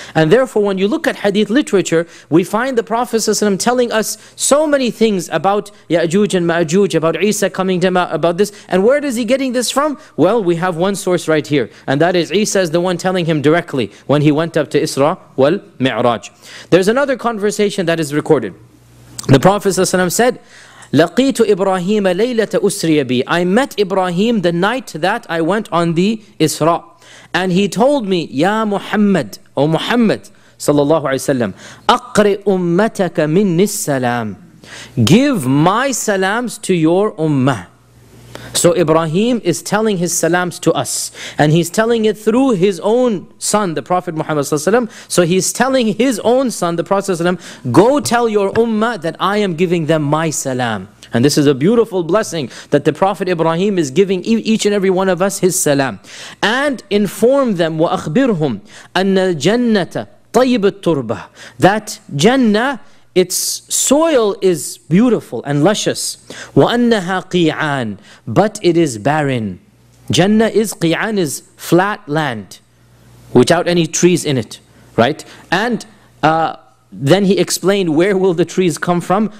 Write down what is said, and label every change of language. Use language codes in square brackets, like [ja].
[en] And therefore when you look at hadith literature, we find the Prophet ﷺ telling us so many things about Ya'juj and Ma'juj, about Isa coming to Ma'juj, about this. And where is he getting this from? Well, we have one source right here. And that is Isa is the one telling him directly when he went up to Isra wal Mi'raj. There's another conversation that is recorded. The Prophet ﷺ said, [ar] لَقِيتُ إِبْرَاهِيمَ لَيْلَةَ أُسْرِيَ بِي. [en] I met Ibrahim the night that I went on the Isra. And he told me, Ya Muhammad, O Muhammad sallallahu alayhi wa sallam, [ar] أَقْرِ أُمَّتَكَ مِنِّ السَّلَامِ. [en] Give my salams to your ummah. So Ibrahim is telling his salams to us. And he's telling it through his own son, the Prophet Muhammad sallallahu alayhi wa sallam. So he's telling his own son, the Prophet sallallahu alayhi wa sallam, go tell your ummah that I am giving them my salam. And this is a beautiful blessing that the Prophet Ibrahim is giving each and every one of us his salam. And inform them, [ar] وَأَخْبِرْهُمْ أَنَّ الْجَنَّةَ طَيِّبُ التُّرْبَةِ. [en] That Jannah, its soil is beautiful and luscious. [ar] وَأَنَّهَا قِيعَانٍ. [en] But it is barren. Jannah is, قِيعَان is flat land without any trees in it. Right? And then he explained, where will the trees come from?